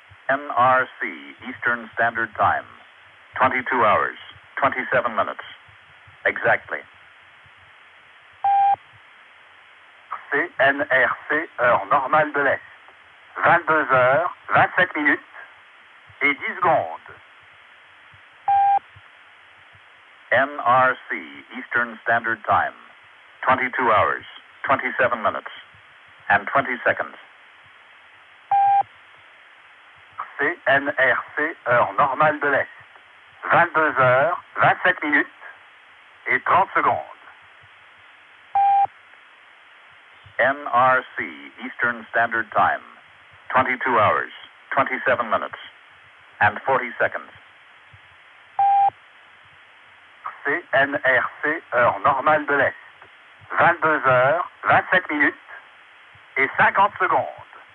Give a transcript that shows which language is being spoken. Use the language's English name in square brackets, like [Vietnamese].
[English] NRC, Eastern Standard Time, 22 hours, 27 minutes, exactly. [French] CNRC, heure normale de l'Est, 22 heures, 27 minutes et 10 secondes. [English] NRC, Eastern Standard Time, 22 hours, 27 minutes and 20 seconds. [French] CNRC, heure normale de l'Est, 22 heures, 27 minutes et 30 secondes. [English] NRC, Eastern Standard Time, 22 hours, 27 minutes, and 40 seconds. [French] CNRC, heure normale de l'Est, 22 heures, 27 minutes, et 50 secondes.